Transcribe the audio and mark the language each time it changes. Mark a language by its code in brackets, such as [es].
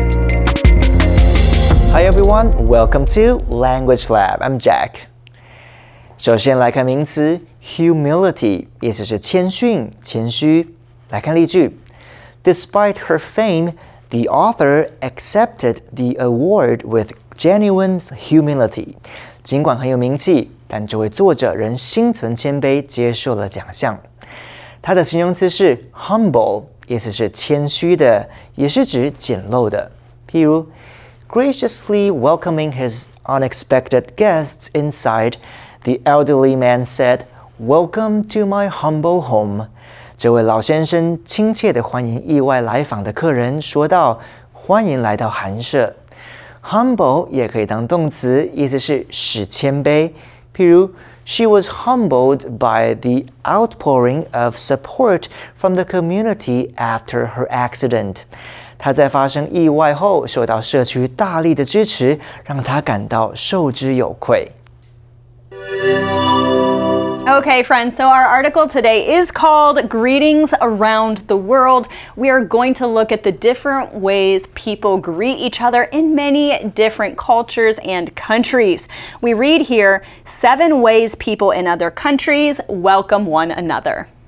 [en] Hi everyone, welcome to Language Lab, I'm Jack. [zh] 首先来看名词Humility, 也就是谦逊、谦虚。来看例句。 [en] Despite her fame, the author accepted the award with genuine humility. [zh] 尽管很有名气，但这位作者仍心存谦卑接受了奖项。他的形容词是 humble, 也就是谦虚的，也是指简陋的。譬如 [en] ,graciously welcoming his unexpected guests inside, the elderly man said,Welcome to my humble home. [zh] 这位老先生亲切地欢迎意外来访的客人，说道，欢迎来到寒舍。 Humble 也可以当动词，意思是使谦卑。譬如 [en] She was humbled by the outpouring of support from the community after her accident. [zh] 她在发生意外后受到社区大力的支持，让她感到受之有愧。 [en] Okay, friends, so our article today is called Greetings Around the World. We are going to look at the different ways people greet each other in many different cultures and countries. We read here, seven ways people in other countries welcome one another.